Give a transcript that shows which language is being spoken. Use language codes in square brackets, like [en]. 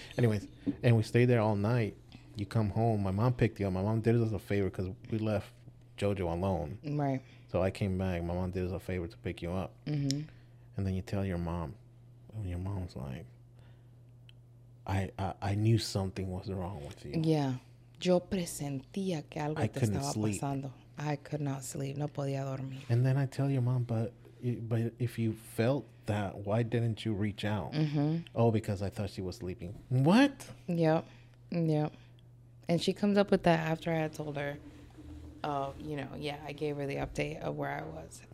[en] Anyways, and we stayed there all night. You come home. My mom picked you up. My mom did us a favor because we left JoJo alone. Right. So I came back. My mom did us a favor to pick you up. Mm-hmm. And then you tell your mom. And your mom's like, I knew something was wrong with you. Yeah. [es] Yo presentía que algo te estaba [en] sleep. [es] Pasando. [en] I could not sleep. [es] No podía dormir. [en] And then I tell your mom, but if you felt that, why didn't you reach out? Mm-hmm. Oh, because I thought she was sleeping. What? Yep. Yep. And she comes up with that after I had told her, you know, yeah, I gave her the update of where I was.